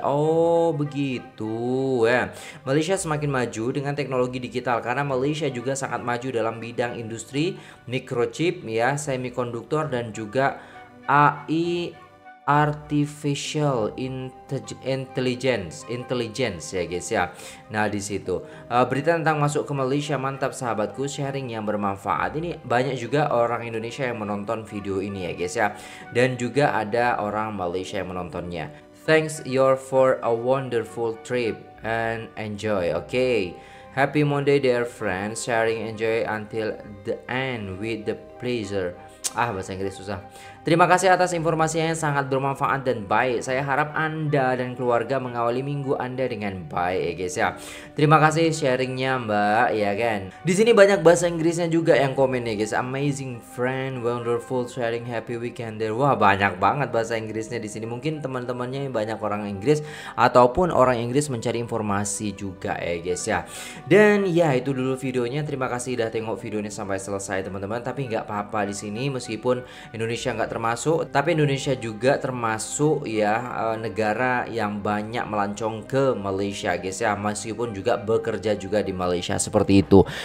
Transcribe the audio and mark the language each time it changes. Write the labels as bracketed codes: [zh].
[id] Oh begitu ya. Malaysia semakin maju dengan teknologi digital, karena Malaysia juga sangat maju dalam bidang industri microchip ya, semikonduktor dan juga AI, artificial intelligence ya guys ya. Nah di situ berita tentang masuk ke Malaysia, mantap sahabatku, sharing yang bermanfaat. Ini banyak juga orang Indonesia yang menonton video ini ya guys ya, dan juga ada orang Malaysia yang menontonnya. [en] Thanks your for a wonderful trip and enjoy. Okay, happy Monday dear friends, sharing enjoy until the end with the pleasure. [id] Ah, bahasa Inggris susah. Terima kasih atas informasinya yang sangat bermanfaat dan baik. Saya harap Anda dan keluarga mengawali minggu Anda dengan baik ya guys ya. Terima kasih sharingnya Mbak ya kan. Di sini banyak bahasa Inggrisnya juga yang komen ya guys. [en] Amazing friend, wonderful sharing, happy weekend there. [id] Wah, banyak banget bahasa Inggrisnya di sini. Mungkin teman-temannya yang banyak orang Inggris ataupun orang Inggris mencari informasi juga ya guys ya. Dan ya itu dulu videonya. Terima kasih sudah tengok videonya sampai selesai teman-teman. Tapi nggak apa-apa di sini, meskipun Indonesia nggak termasuk, tapi Indonesia juga termasuk ya negara yang banyak melancong ke Malaysia guys ya, meskipun juga bekerja juga di Malaysia seperti itu.